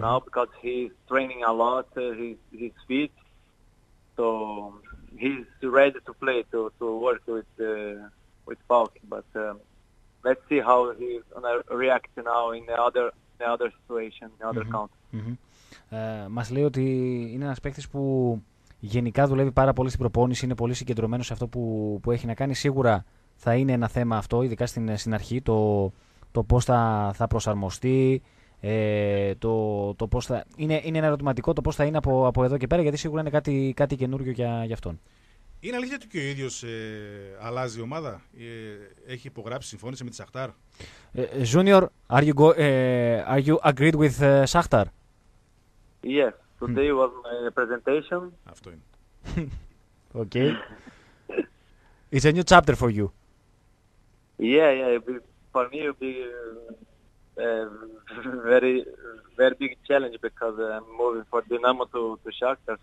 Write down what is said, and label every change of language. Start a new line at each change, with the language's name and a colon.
English: now because he's training a lot, his feet. So he's ready to play, to work with Falk. But let's see how he's going to react now in the other situation, the other mm-hmm. count. Mm-hmm.
Greek: Μας λέει ότι είναι ένας παίκτης που γενικά δουλεύει πάρα πολύ στην προπόνηση, είναι πολύ συγκεντρωμένος σε αυτό που έχει να κάνει. Σίγουρα θα είναι ένα θέμα αυτό, ειδικά στην αρχή, το πώς θα προσαρμοστεί, το πώς θα... Είναι ένα ερωτηματικό το πώς θα είναι από εδώ και πέρα, γιατί σίγουρα είναι κάτι καινούριο για αυτόν. Είναι αλήθεια ότι και ο ίδιος αλλάζει η ομάδα, έχει υπογράψει, συμφώνησε με τη Σαχτάρ.
English: Junior, are you agreed with Σαχτάρ? Yes, today was my presentation.
Greek: Αυτό είναι.
English: Okay. It's a new chapter for you. Yeah, for me it will be a very, very big challenge because I'm moving from Dynamo to Shakhtar.